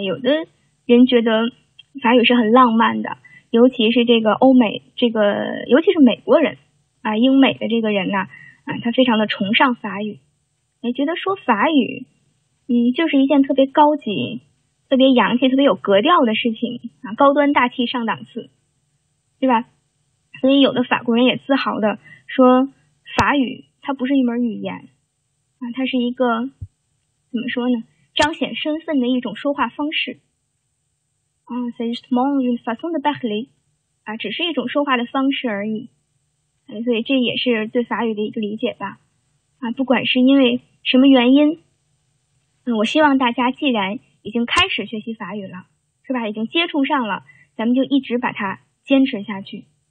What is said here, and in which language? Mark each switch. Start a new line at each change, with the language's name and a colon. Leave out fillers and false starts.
Chinese: 有的人觉得法语是很浪漫的，尤其是这个欧美，这个尤其是美国人啊，英美的这个人呢啊，他非常的崇尚法语，也觉得说法语就是一件特别高级特别洋气特别有格调的事情啊，高端大气上档次，对吧？所以有的法国人也自豪的说法语它不是一门语言啊，它是一个怎么说呢，彰显身份的一种说话方式。
French: C'est justement une façon de parler.
Chinese: 啊，只是一种说话的方式而已。所以这也是对法语的一个理解吧。啊，不管是因为什么原因，我希望大家既然已经开始学习法语了，是吧？已经接触上了，咱们就一直把它坚持下去。